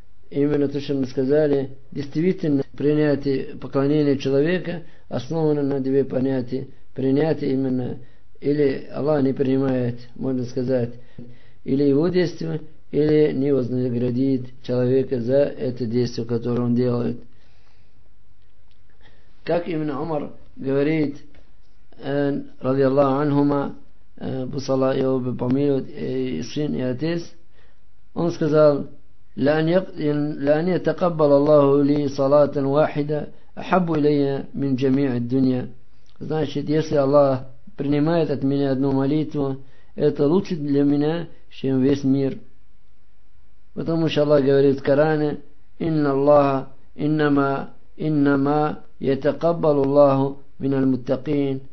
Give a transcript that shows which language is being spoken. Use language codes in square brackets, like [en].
[ru] именно то, что мы сказали, действительно, принятие поклонения человека основано на две понятия, принятие именно, или Аллах не принимает, можно сказать, или его действие, или не вознаградит человека за это действие, которое он делает. Как именно Умар говорит, [ar] ради Аллаху анхума, [ru] пусть Аллах его помилует, и сын, и отец, он сказал, [ar] لأن يتقبل الله لي صلاة واحدة أحب إلي من جميع الدنيا. [ru] Значит, если Аллах принимает от меня одну молитву, это лучше для меня, чем весь мир. Потому что Аллах говорит в Коране: [ar] «Инна Аллаха, иннама ятакаббалу Аллаху миналь муттакин».